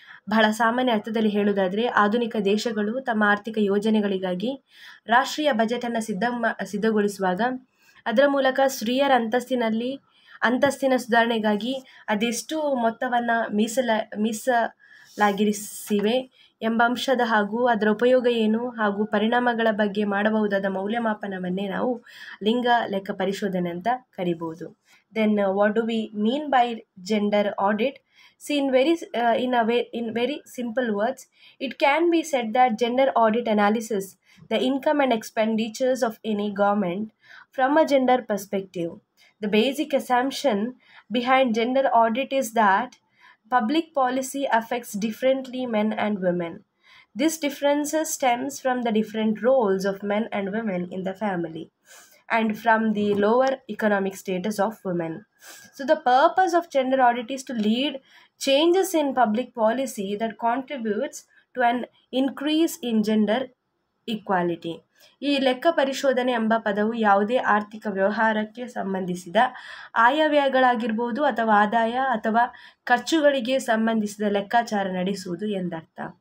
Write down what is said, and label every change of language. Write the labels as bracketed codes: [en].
[kn] ಬಹಳ ಸಾಮಾನ್ಯ ಅರ್ಥದಲ್ಲಿ ಹೇಳುವುದಾದರೆ, ಆಧುನಿಕ ದೇಶಗಳು ತಮ್ಮ ಆರ್ಥಿಕ ಯೋಜನೆಗಳಿಗಾಗಿ ರಾಷ್ಟ್ರೀಯ ಬಜೆಟನ್ನು ಸಿದ್ಧಗೊಳಿಸುವಾಗ ಅದರ ಮೂಲಕ ಸ್ತ್ರೀಯರ ಅಂತಸ್ತಿನ ಸುಧಾರಣೆಗಾಗಿ ಅದೆಷ್ಟು ಮೊತ್ತವನ್ನು ಮೀಸಲಾಗಿರಿಸಿವೆ ಎಂಬ ಅಂಶದ ಹಾಗೂ ಅದರ ಉಪಯೋಗ ಏನು ಹಾಗೂ ಪರಿಣಾಮಗಳ ಬಗ್ಗೆ ಮಾಡಬಹುದಾದ ಮೌಲ್ಯಮಾಪನವನ್ನೇ ನಾವು ಲಿಂಗ ಲೆಕ್ಕ ಪರಿಶೋಧನೆ ಅಂತ ಕರಿಬೋದು. [en] Then what do we mean by gender audit? See in very simple words, it can be said that gender audit analysis the income and expenditures of any government from a gender perspective. The basic assumption behind gender audit is that public policy affects differently men and women. This difference stems from the different roles of men and women in the family and from the lower economic status of women. So the purpose of gender audit is to lead changes in public policy that contributes to an increase in gender equality. [kn] ಈ ಲೆಕ್ಕ ಪರಿಶೋಧನೆ ಎಂಬ ಪದವು ಯಾವುದೇ ಆರ್ಥಿಕ ವ್ಯವಹಾರಕ್ಕೆ ಸಂಬಂಧಿಸಿದ ಆಯವ್ಯಯಗಳಾಗಿರ್ಬೋದು ಅಥವಾ ಆದಾಯ ಅಥವಾ ಖರ್ಚುಗಳಿಗೆ ಸಂಬಂಧಿಸಿದ ಲೆಕ್ಕಾಚಾರ ನಡೆಸುವುದು ಎಂದರ್ಥ.